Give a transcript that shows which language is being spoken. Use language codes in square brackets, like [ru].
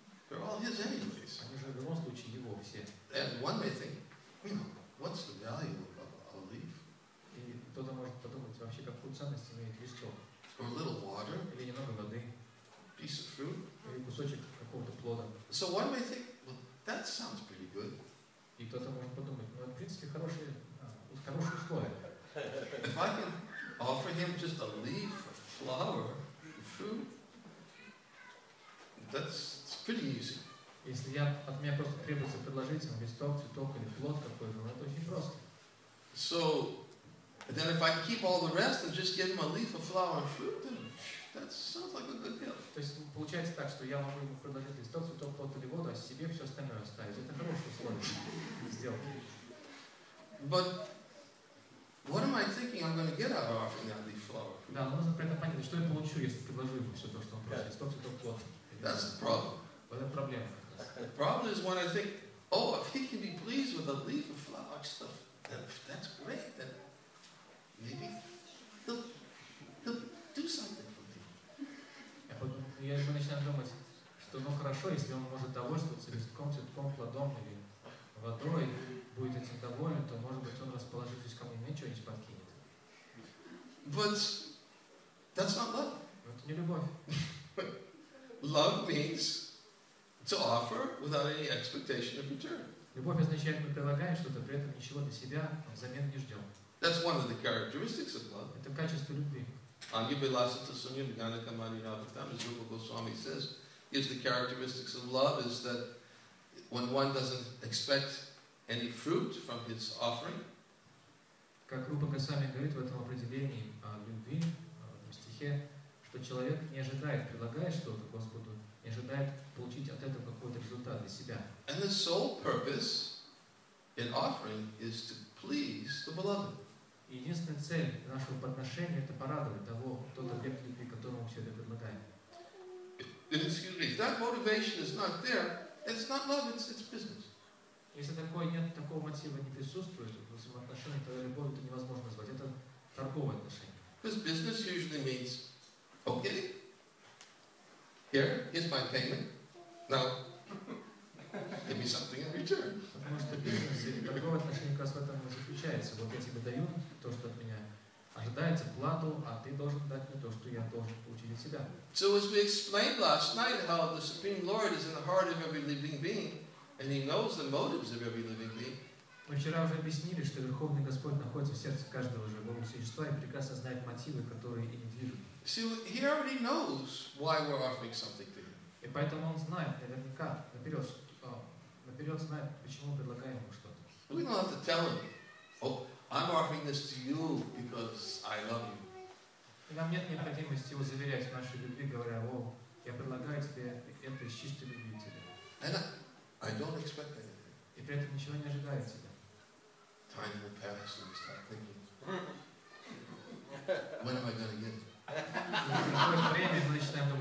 [en] They're all his anyways. [ru] Они же в любом случае его все. [en] And one may think, you know, what's the value of a leaf? [ru] И кто-то может подумать, вообще какую ценность имеет листок? [en] Or a little water? [ru] Или немного воды? [en] Piece of fruit? [ru] Или кусочек какого-то плода? [en] So one may think, well, that sounds pretty good. [ru] И кто-то может подумать, ну, в принципе, хорошие условия. [en] If I can offer him just a leaf, a flower, a fruit, that's pretty easy. [ru] Если я от меня просто требуется предложить ему листок, цветок или плод какой-то, это очень просто. [en] So, then if I keep all the rest and just give him a leaf, a flower, a fruit, then that sounds like a good deal. [ru] То есть получается так, что я могу ему предложить листок, цветок, плод или воду, а себе все остальное оставить. Это хорошие условия сделки. [en] But what am I thinking I'm going to get out of offering that leaf, flower, fruit? [ru] Да, нужно при этом понять, что я получу, если предложу ему все то, что он просит, листок, цветок, плод. [en] That's the problem. [ru] Вот это проблема. [en] The problem is when I think, oh, if he can be pleased with a leaf of flower stuff, that's great. Then maybe he'll do something for me. [ru] Я уже начинаю думать, что ну хорошо, если он может довольствоваться листком, цветком, плодом или водой, будет этим доволен, то может быть он расположившись ко мне, мне что-нибудь подкинет. [en] But that's not love. [ru] Но это не любовь. [en] Love means to offer without any expectation of return. [ru] Любовь означает, мы предлагаем что-то, при этом ничего для себя взамен не ждем. [en] That's one of the characteristics of love. [ru] Это качество любви. [sa] Anya Bilasita Sunya Nagana Kamani Navatam, [en] as Rupa Goswami says, is the characteristics of love is that when one doesn't expect any fruit from his offering. [ru] Как Рупа Госвами говорит в этом определении любви, в стихе, что человек не ожидает, предлагая что-то Господу, не ожидает получить от этого какой-то результат для себя. [en] And the sole purpose in offering is to please the beloved. [ru] И единственная цель нашего подношения — это порадовать того, тот объект любви, которому мы все это предлагаем. [en] Excuse me, if that motivation is not there, it's not love, it's business. [ru] Если такое нет, такого мотива не присутствует в взаимоотношениях, то любовь это невозможно назвать. Это торговое отношение. [en] Because business usually means okay. Here's my payment. Now, give me something in return. [ru] Потому что бизнес или торговое отношение как раз в этом и заключается. Вот я тебе даю то, что от меня ожидается, плату, а ты должен дать мне то, что я должен получить от себя. [en] So as we explained last night how the Supreme Lord is in the heart of every living being and he knows the motives of every living being. [ru] Мы вчера уже объяснили, что Верховный Господь находится в сердце каждого живого существа и прекрасно знает мотивы, которые им движут. [en] See, he already knows why we're offering something to him. [ru] И поэтому он знает наверняка, наперед знает, почему предлагаем ему что-то. [en] We don't have to tell him, oh, I'm offering this to you because I love you. [ru] И нам нет необходимости его заверять в нашей любви, говоря, о, я предлагаю тебе это из чистой любви тебе. [en] And I don't expect anything. [ru] И при этом ничего не ожидаю от тебя. [en] Time will pass and we start thinking, when am I going to get it?